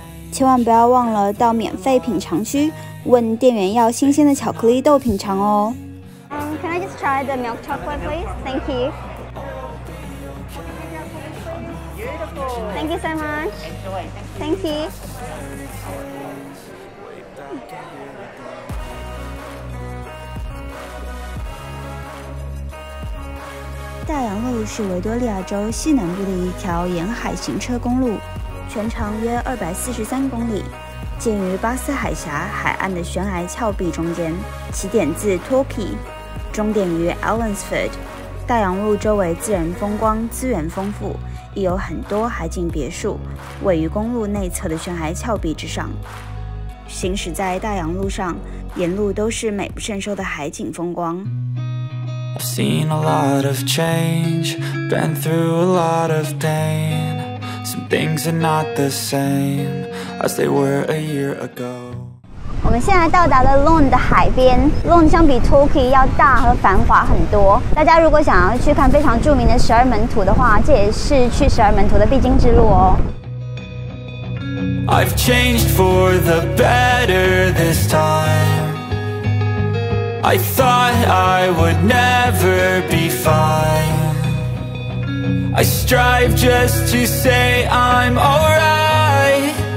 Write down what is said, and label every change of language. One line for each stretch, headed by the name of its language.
Chinese: 千万不要忘了到免费品尝区问店员要新鲜的巧克力豆品尝哦。
English: Can I just try the milk chocolate, please? Thank you. Thank you so much. Enjoy. Thank you.
Chinese: 大洋路是维多利亚州西南部的一条沿海行车公路，全长约243公里，建于巴斯海峡海岸的悬崖峭壁中间，起点自 Torquay， 终点于 Ellensford。大洋路周围自然风光资源丰富，亦有很多海景别墅位于公路内侧的悬崖峭壁之上。行驶在大洋路上，沿路都是美不胜收的海景风光。
English: I've seen a lot of change, been through a lot of pain. Some things are not the same as they were a year ago.
Chinese: 我们现在到达了 Lund 的海边， Lund 相比 Torquay 要大和繁华很多，大家如果想要去看非常著名的十二门徒的话，这也是去十二门徒的必经之路哦。
English: I've changed for the better this time. I thought I would never be fine. I strive just to say I'm alright.